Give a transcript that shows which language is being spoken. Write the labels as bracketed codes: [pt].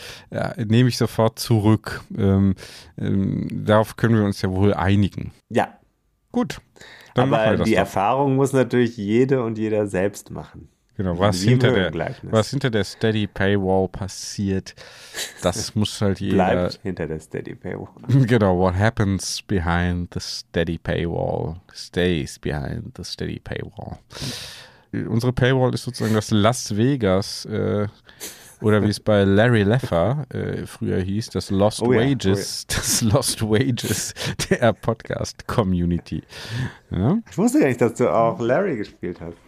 [de] Ja, nehme ich sofort zurück. Darauf können wir uns ja wohl einigen. Ja. Gut. Dann aber machen wir das die doch. Erfahrung muss natürlich jede und jeder selbst machen. Genau, was hinter der Steady Paywall passiert, das muss halt jeder. Bleibt hinter der Steady Paywall. [en] Genau, what happens behind the Steady Paywall stays behind the Steady Paywall. [de] Unsere Paywall ist sozusagen das Las Vegas, oder wie es bei Larry Leffer früher hieß, das Lost Wages, das Lost Wages der Podcast-Community. Ja? Ich wusste gar nicht, dass du auch Larry gespielt hast.